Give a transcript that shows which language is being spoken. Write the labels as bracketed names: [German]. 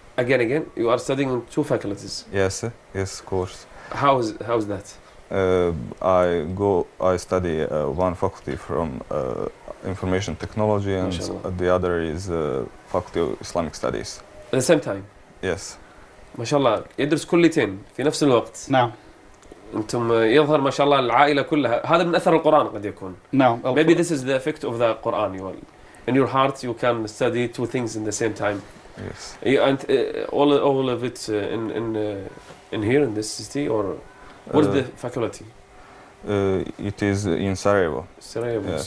[English] Again. You are studying in two faculties. Yes. Yes. Course. How's that? I study one faculty from information technology, and the other is faculty of Islamic studies. At the same time. Yes. [Arabic] ما شاء الله يدرس كليتين في نفس الوقت. نعم. أنتم يظهر ما شاء الله العائلة كلها، هذا من أثر القرآن قد يكون. نعم. [English] Maybe this is the effect of the Quran. In your heart, you can study two things in the same time. Yes. And all of it in here in this city or. What is the faculty? It is in Sarajevo. Sarajevo. Yes.